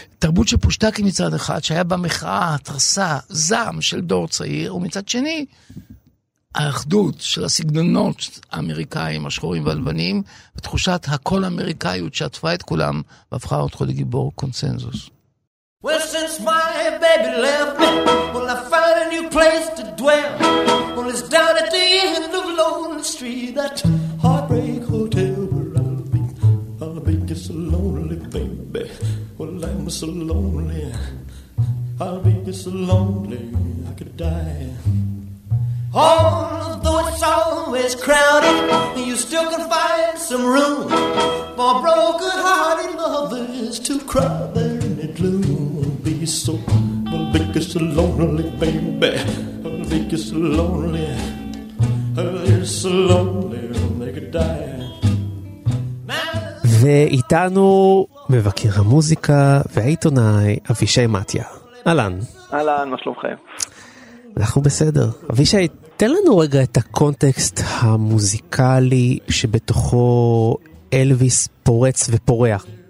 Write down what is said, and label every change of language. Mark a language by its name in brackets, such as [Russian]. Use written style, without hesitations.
[Hebrew] תרבות של פושטקים מצד אחד, שהיה במחאה, התרסה, זעם של דור צעיר, ומצד שני... האחדות של הסגנונות האמריקאים, השחורים והלבנים, ותחושת הכל אמריקאיות שעטפה את כולם, והפכה אותך לגיבור קונצנזוס. [English] Well, since my baby left me, well, I found a new place to dwell. Well, it's down at the end of Lonely Street, that heartbreak hotel where I'll be just so lonely, baby. Well, I'm so lonely, I'll be just so lonely, I could die. Although it's always crowded, you still can find some room for broken-hearted lovers to cry there in the gloom. Be so, be so lonely, baby. Be so lonely. Be so lonely, they could die. [Hebrew] ואיתנו מבקר המוזיקה והעיתונאי אבישי מתיה. אלן. אלן, מה שלומכם? אנחנו בסדר. אבישי, תן לנו רגע את הקונטקסט המוזיקלי שבתוכו אלביס פורץ ופורח.